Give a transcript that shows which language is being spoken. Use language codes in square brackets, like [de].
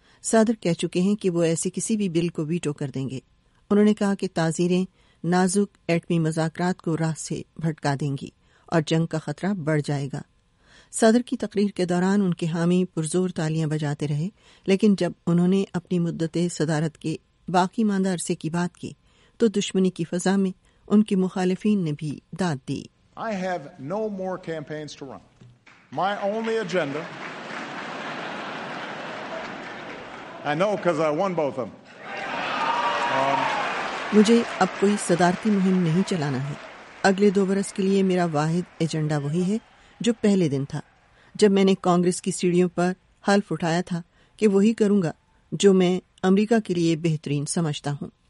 [ur] صدر کہہ چکے ہیں کہ وہ ایسے کسی بھی بل کو ویٹو کر دیں گے۔ انہوں نے کہا کہ تعزیریں نازک ایٹمی مذاکرات کو راہ سے بھٹکا دیں گی اور جنگ کا خطرہ بڑھ جائے گا۔ صدر کی تقریر کے دوران ان کے حامی پرزور تالیاں بجاتے رہے، لیکن جب انہوں نے اپنی مدت صدارت کے باقی ماندہ عرصے کی بات کی تو دشمنی کی فضا میں ان کے مخالفین نے بھی داد دی۔ [en] I have no more campaigns to run. My only agenda, I know because I won both of them. [ur] مجھے اب کوئی صدارتی مہم نہیں چلانا ہے، اگلے دو برس کے لیے میرا واحد ایجنڈا وہی ہے جو پہلے دن تھا، جب میں نے کانگریس کی سیڑھیوں پر حلف اٹھایا تھا کہ وہی کروں گا جو میں امریکہ کے لیے بہترین سمجھتا ہوں۔